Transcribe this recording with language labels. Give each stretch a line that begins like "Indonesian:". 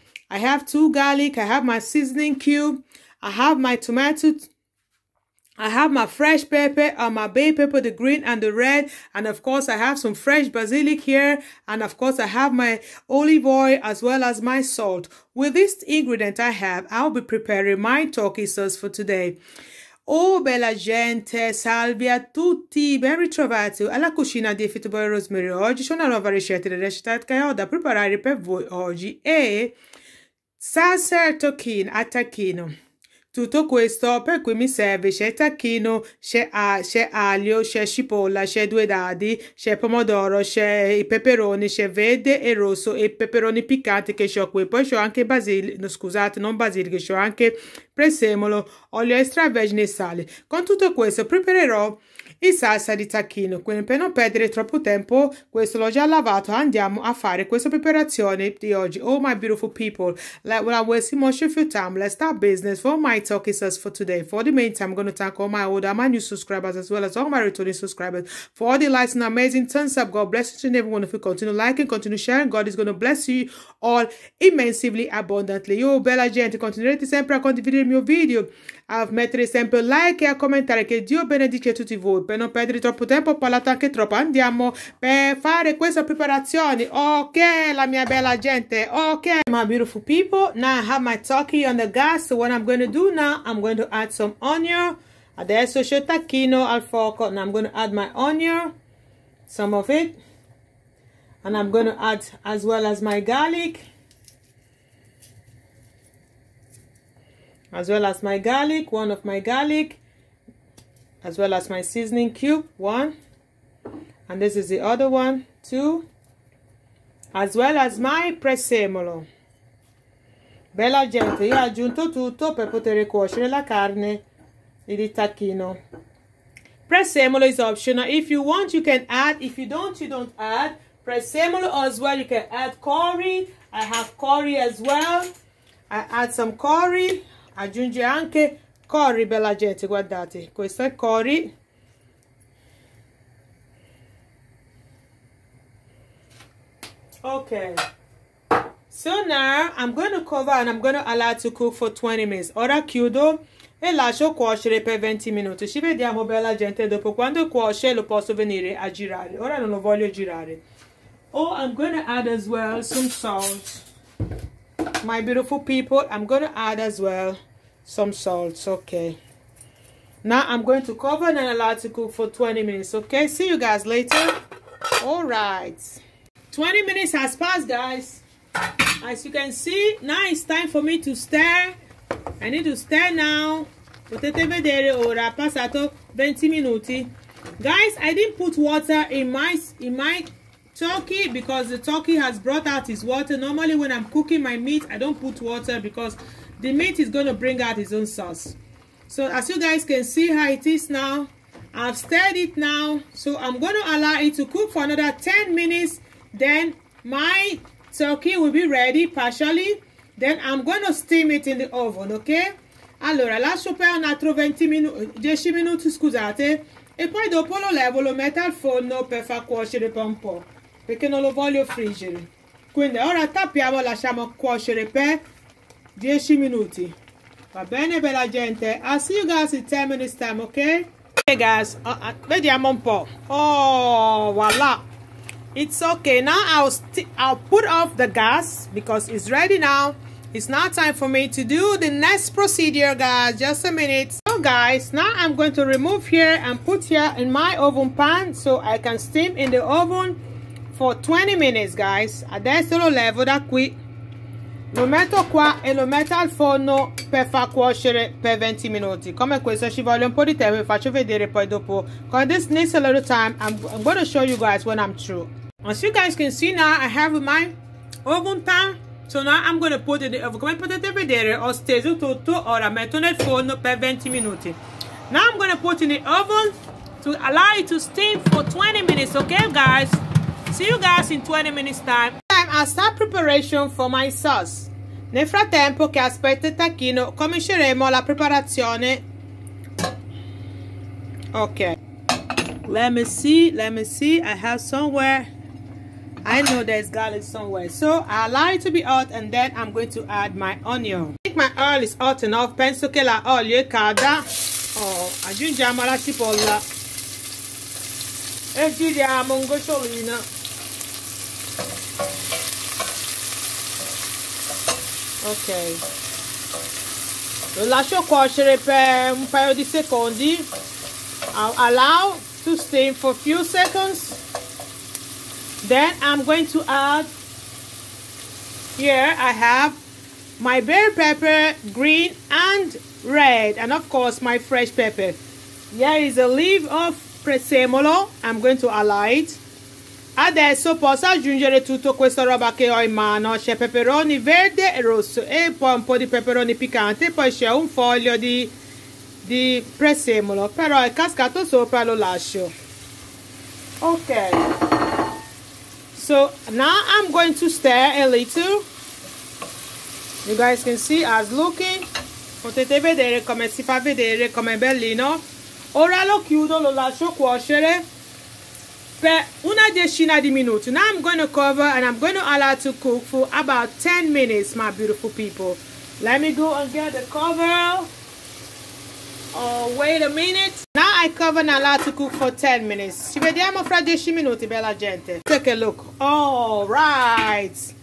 English: I have two garlic, I have my seasoning cube, I have my tomato, I have my fresh pepper and my bay pepper, the green and the red, and of course I have some fresh basilic here, and of course I have my olive oil as well as my salt. With this ingredient I have, I'll be preparing my turkey sauce for today.
Italian: Oh, bella gente, salve a tutti, ben ritrovati alla cucina di Fitubara Rosemary. Oggi c'è una nuova ricetta, la ricetta che ho da preparare per voi oggi e salsa a tacchino. Tutto questo per cui mi serve c'è tacchino, c'è aglio, c'è cipolla, c'è due dadi, c'è pomodoro, c'è i peperoni, c'è verde e rosso e peperoni piccanti che ho qui. Poi c'ho anche basilico, no, scusate, non basilico, c'ho anche prezzemolo, olio extravergine e sale. Con tutto questo preparerò in salsa di tacchino, quindi per non perdere troppo tempo, questo l'ho già lavato, andiamo a fare questa preparazione di oggi.
English: Oh my beautiful people, I'm wasting much of your time, let's start business for my talking sauce for today. For the meantime, I'm going to thank all my older, my new subscribers, as well as all my returning subscribers, for all the likes and amazing thumbs up. God bless you and everyone if you continue liking, continue sharing. God is going to bless you all immensely, abundantly.
Italian: Yo, bella gente, continuerete sempre a condividere il mio video, a mettere sempre un like e a commentare, che Dio benedica tutti voi. Per non perdere troppo tempo, ho parlato anche troppo. Andiamo per fare questa preparazione. Ok, la mia bella gente.
English: Ok, my beautiful people. Now I have my turkey on the gas. So what I'm going to do now, I'm going to add some onion.
Italian: Adesso c'è il tacchino al fuoco.
English: Now I'm going to add my onion, some of it. And I'm going to add as well as my garlic. As well as my garlic, one of my garlic. As well as my seasoning cube, one, and this is the other one, two, as well as my prezzemolo.
Italian: Bella gente, io ho aggiunto tutto per poter cuocere la carne e il tacchino.
English: Prezzemolo is optional. If you want, you can add. If you don't, you don't add. Prezzemolo as well, you can add curry. I have curry as well. I add some curry.
Italian: Aggiunge anche curry, bella gente, guardate, questo è curry.
English: Okay. So now I'm going to cover and I'm going to allow to cook for 20 minutes.
Italian: Ora chiudo e lascio cuocere per 20 minuti. Ci vediamo, bella gente, dopo quando cuoce lo posso venire a girare. Ora non lo voglio girare.
English: Oh, I'm going to add as well some salt. My beautiful people, I'm going to add as well some salts. Okay, now I'm going to cover and allow to cook for 20 minutes. Okay, see you guys later. All right, 20 minutes has passed, guys. As you can see, now it's time for me to stir. I need to stir now.
Italian: Potete vedere ora passato 20 minuti, guys.
English: I didn't put water in my turkey because the turkey has brought out its water. Normally when I'm cooking my meat, I don't put water because the meat is going to bring out its own sauce. So as you guys can see how it is now, I've stirred it now. So I'm going to allow it to cook for another 10 minutes. Then my turkey will be ready partially. Then I'm going to steam it in the oven, okay?
Italian: Allora, lascio per un altro 20 minuti, 10 minuti, scusate. E poi dopo lo levo, lo metto al forno per far cuocere per un po'. Perché non lo voglio friggere. Quindi ora tappiamo, lasciamo cuocere per 10 minuti. Va bene, bella gente.
English: I'll see you guys in 10 minutes time, okay? Hey okay, guys,
Italian: vediamo un po'.
English: Oh, voila. It's okay. Now I'll put off the gas because it's ready now. It's now time for me to do the next procedure, guys. Just a minute. So guys, now I'm going to remove here and put here in my oven pan so I can steam in the oven for 20 minutes, guys.
Italian: Adesso lo levo da qui. Lo metto qua e lo metto al forno per far cuocere per 20 minuti. Come questo ci vuole un po' di tempo, vi faccio vedere poi dopo.
English: Because this needs a little time, I'm going to show you guys when I'm through. As you guys can see now, I have my oven pan So now I'm gonna put it in the oven.
Italian: Come potete vedere, ho steso tutto, ora metto nel forno per 20 minuti.
English: Now I'm gonna put in the oven to allow it to steam for 20 minutes, okay guys? See you guys in 20 minutes time. Time I start preparation for my sauce.
Italian: Nel frattempo che aspetto il tacchino, cominceremo la preparazione.
English: Okay. Let me see, I have somewhere. I know there's garlic somewhere. So I allow it to be hot and then I'm going to add my onion. I think my oil is hot enough.
Italian: Penso che la olio è calda. Oh, aggiungiamo la cipolla. E giriamo un gocciolino. Ok. Lo lascio cuocere per un paio di secondi.
English: I'll allow to steam for a few seconds. Then I'm going to add, here I have my bell pepper, green and red, and of course my fresh pepper. Here is a leaf of prezzemolo, I'm going to allow it.
Italian: Adesso posso aggiungere tutto questa roba che ho in mano, c'è peperoni verde e rosso e poi un po' di peperoni piccante, poi c'è un foglio di prezzemolo, però è cascato sopra, lo lascio.
English: Ok. So now I'm going to stir a little. You guys can see as looking.
Italian: Potete vedere come si fa vedere, come è bellino. Ora lo chiudo, lo lascio cuocere per una decina di minuti.
English: Now I'm going to cover and I'm going to allow to cook for about 10 minutes, my beautiful people. Let me go and get the cover. Oh, wait a minute. Now I cover and allow to cook for 10 minutes.
Italian: Ci vediamo fra 10 minuti, bella gente.
English: Take a look. All right.